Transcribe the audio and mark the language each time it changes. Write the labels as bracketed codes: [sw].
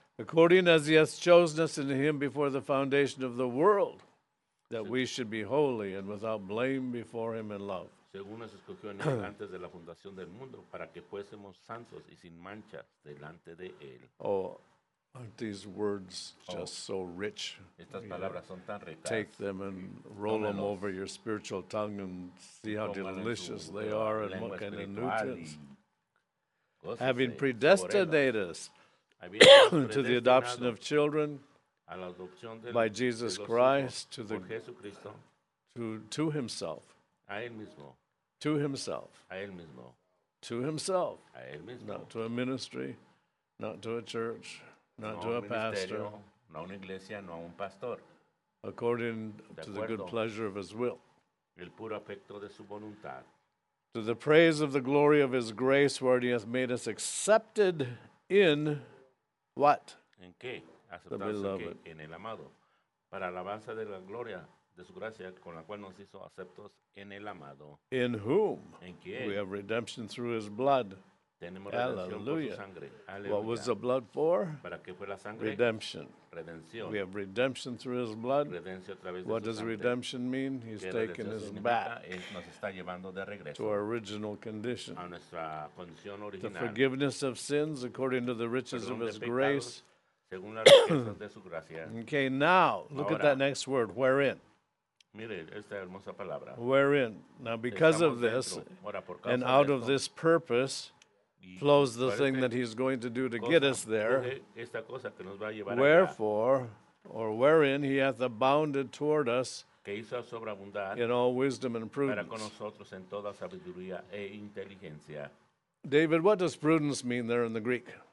[en] According as he has chosen us in him before the foundation of the world, that we should be holy and without blame before him in love. [es] Según nos escogió antes de la fundación del mundo para que fuésemos santos y sin mancha delante de él. [en] Oh, aren't these words just so rich? [es] Estas palabras son tan ricas. [en] Take them and roll [es] tómalos, [en] them over your spiritual tongue and see how delicious they are and what kind of nutrients. Having predestinated us to the adoption of children by Jesus Christ to himself. [es] A él mismo. [en] To himself. [es] A él mismo. [en] To himself. [es] A él mismo. [en] Not to a ministry, not to a church, not [es] no [en] to a pastor. [es] No a una iglesia, no a un pastor. [en] According [es] de acuerdo, [en] to the good pleasure of his will. [es] El puro afecto de su voluntad. [en] To the praise of the glory of his grace, where he hath made us accepted in what? [es] ¿En qué? En el amado, para alabanza de la gloria de su gracia con la cual nos hizo aceptos en el amado. [en] In whom [es] ¿en quién? [en] We have redemption through his blood. [es] Tenemos redención [en] hallelujah. [es] Por su sangre. [en] Hallelujah. What was the blood for? [es] ¿Para qué fue la sangre? [en] Redemption. [es] Redención. [en] We have redemption through his blood. [es] Redención a través [en] what [es] de su [en] does [es] sangre. [en] Redemption mean? He's taken us back [es] nos está llevando de regreso [en] to our original condition. [es] A nuestra condición original. [en] The forgiveness of sins according to the riches [es] perdón [en] of his grace. [es] según las riquezas de su gracia. [en] Okay, now look at that next word, wherein. [es] Mire esta hermosa palabra. [en] Wherein. Now, because of this, and out of this purpose, flows the thing that he's going to do to get us there. [es] Esta cosa que nos va a llevar [en] wherefore, or wherein, he hath abounded toward us [es] que hizo sobreabundar [en] in all wisdom and prudence. [es] Para con nosotros en toda sabiduría e inteligencia. [en] David, what does prudence mean there in the Greek?